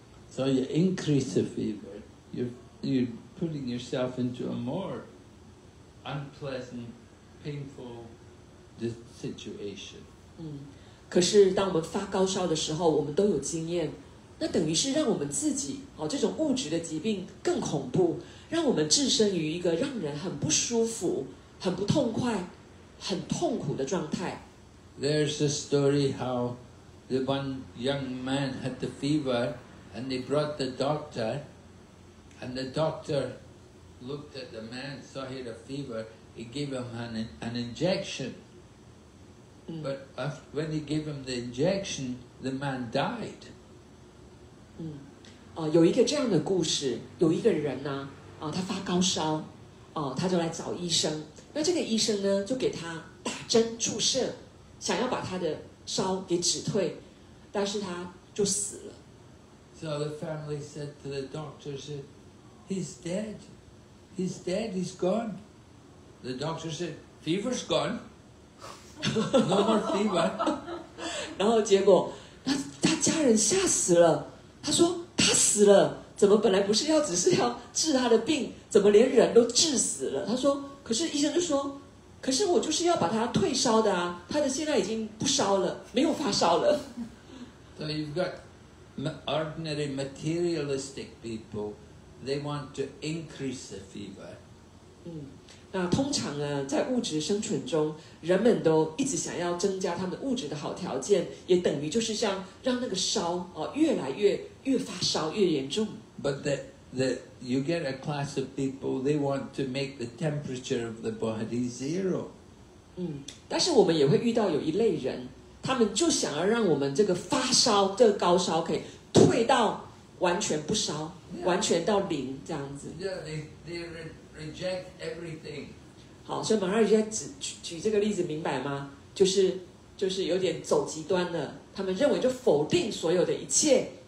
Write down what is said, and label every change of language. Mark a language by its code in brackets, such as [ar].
[en] So you increase the fever, you're putting yourself into a more unpleasant, painful situation. [zh] 可是当我们发高烧的时候，我们都有经验，那等于是让我们自己这种物质的疾病更恐怖，让我们置身于一个让人很不舒服、很不痛快、很痛苦的状态。 [en] There's a story how the one young man had the fever, and they brought the doctor, and the doctor looked at the man, saw he had a fever, he gave him an injection. Mm. But after, when he gave him the injection, the man died. [zh] 有一个这样的故事，有一个人呢，他发高烧，他就来找医生。那这个医生呢，就给他打针注射，想要把他的烧给止退，但是他就死了。 [en] So the family said to the doctor, said, "He's dead. He's dead. He's gone." The doctor said, "Fever's gone. No more fever." [zh] 然后结果他家人吓死了，他说。他死了，怎么本来不是要只是要治他的病，怎么连人都治死了？他说，可是医生就说，可是我就是要把他退烧的啊，他的现在已经不烧了，没有发烧了。 [en] So you've got ordinary materialistic people, they want to increase the fever. [zh] 那通常呢，在物质生存中，人们都一直想要增加他们物质的好条件，也等于就是像让那个烧越来越。越发烧越严重。 [en] But that you get a class of people, they want to make the temperature of the body zero. [zh] 但是我们也会遇到有一类人，他们就想要让我们这个发烧、这个高烧可以退到完全不烧， [en] yeah. [zh] 完全到零这样子。 [en] Yeah, they reject everything. [zh] 好，所以马上就在举这个例子，明白吗？就是有点走极端了，他们认为就否定所有的一切。